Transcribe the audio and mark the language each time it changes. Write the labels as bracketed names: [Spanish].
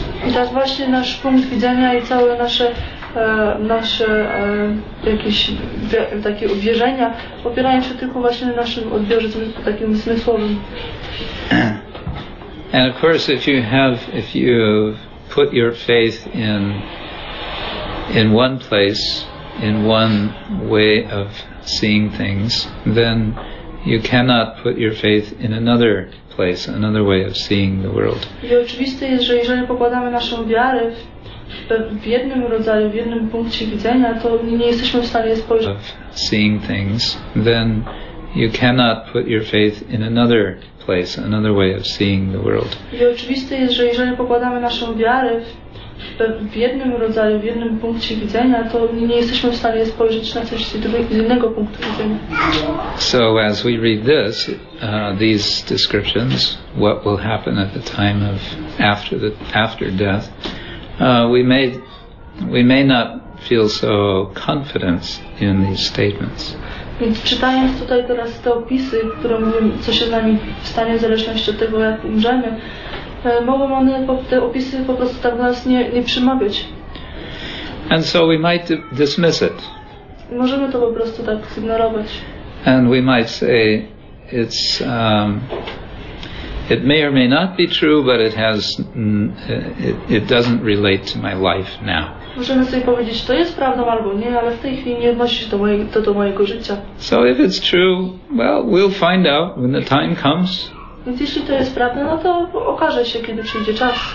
[Polish] I tak właśnie nasz punkt widzenia i całe nasze jakieś takie uwierzenia opierają się tylko właśnie na naszym odbiorze takim zmysłowym. [English] And of course, if you put your faith in one place, in one way of seeing things, then you cannot put your faith in another place, another way of seeing the world. [Polish] I oczywiste jest, że jeżeli pokładamy naszą wiarę w jednym rodzaju, w jednym punkcie widzenia, to nie jesteśmy w stanie spojrzeć. [English] Of seeing things, then you cannot put your faith in another place, another way of seeing the world. [Polish] I oczywiste jest, że jeżeli pokładamy naszą wiarę w jednym rodzaju, w jednym punkcie widzenia, to nie jesteśmy w stanie spojrzeć na coś z innego punktu widzenia. [English] So as we read this, these descriptions, what will happen at the time of after death, we may not feel so confident in these statements. [Polish] Więc czytając tutaj teraz te opisy, które mówią, co się z nami stanie w zależności od tego, jak umrzemy, mogą one, te opisy po prostu tak nas nie przemawiać. [English] And so we might dismiss it. [Polish] Możemy to po prostu tak zignorować. [English] And we might say it's it may or may not be true, but it has it doesn't relate to my life now. [Polish] Możemy sobie powiedzieć, to jest prawdą albo nie, ale w tej chwili nie odnosi się do mojego życia. [English] So if it's true, well, we'll find out when the time comes. [Polish] Więc jeśli to jest prawda, no to okaże się, kiedy przyjdzie czas.